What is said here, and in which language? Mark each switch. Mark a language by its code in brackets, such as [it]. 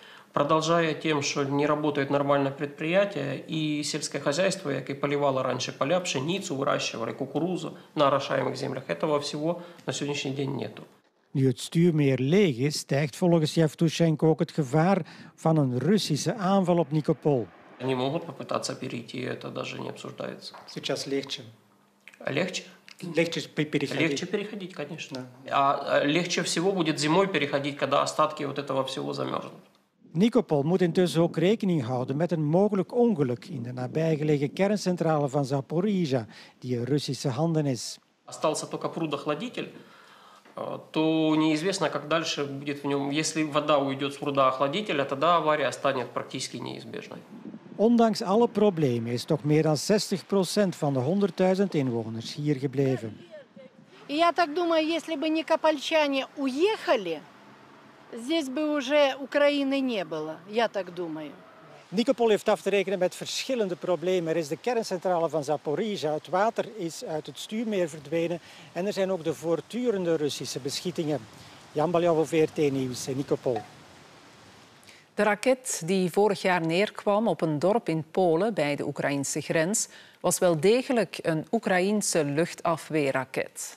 [ru] Продолжая тем, что не работает нормальное предприятие, и сельское хозяйство, яке поливало раньше поля, пшеницу выращивали, кукурузу на орошаемых землях, этого всего на сегодняшний день нету. [nl] Nu het stuurmeer leeg is, stijgt volgens Yevtushenko ook het gevaar van een Russische aanval op Никопол. [ru] Они могут попытаться перейти, это даже не обсуждается. Сейчас легче. Легче? Легче переходить. Легче переходить, конечно. Да. А легче всего будет зимой переходить, когда остатки вот этого всего замерзнут. [nl] Никопол moet intussen ook rekening houden met een mogelijk ongeluk in de nabijgelegen kerncentrale van Zaporizhia, die in Russische handen is. [ru] Остался только прудоохладитель, то неизвестно, как дальше будет в нем. Если вода уйдет с прудоохладителя, тогда авария станет практически неизбежной. [nl] Ondanks alle problemen is toch meer dan 60% van de 100.000 inwoners hier gebleven. [ru] Я так думаю, если бы никопольчане уехали. Здесь бы уже Украины не было, я так думаю. [nl] Никопол heeft af te rekenen met verschillende problemen. Er is de kerncentrale van Zaporizhia. Het water is uit het stuurmeer verdwenen. En er zijn ook de voortdurende Russische beschietingen. Jan Baljouw, VRT Nieuws in Nikopol. De raket die vorig jaar neerkwam op een dorp in Polen bij de Oekraïnse grens was wel degelijk een Oekraïnse luchtafweerraket.